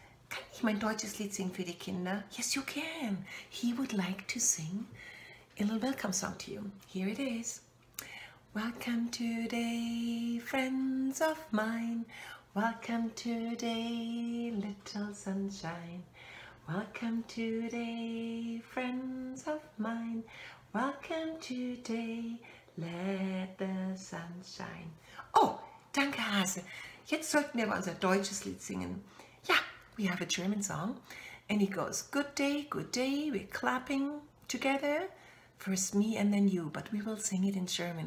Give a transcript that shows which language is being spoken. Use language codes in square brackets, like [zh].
[de] Kann ich mein deutsches Lied singen für die Kinder? [en] Yes, you can. He would like to sing a little welcome song to you. Here it is. Welcome today, friends of mine. Welcome today, little sunshine. Welcome today, friends of mine. Welcome today, let the sun shine. [de] Oh, danke Hase. Jetzt sollten wir aber unser deutsches Lied singen. [en] Ja, we have a German song. And it goes, good day, we're clapping together. First me and then you, but we will sing it in German.